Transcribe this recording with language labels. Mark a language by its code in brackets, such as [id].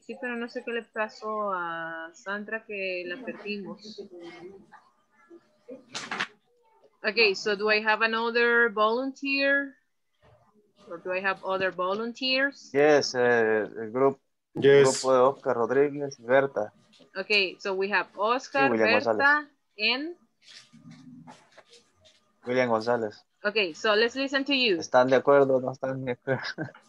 [es] Sí, pero no sé qué le pasó a Sandra que la perdimos. [en] Okay, so do I have another volunteer? Or do I have other volunteers? [es] Yes, el grupo de Oscar Rodríguez y Berta. [en] Okay, so we have Oscar, sí, Berta, and William González. Okay, so let's listen to you. [es] ¿Están de acuerdo o no están de acuerdo?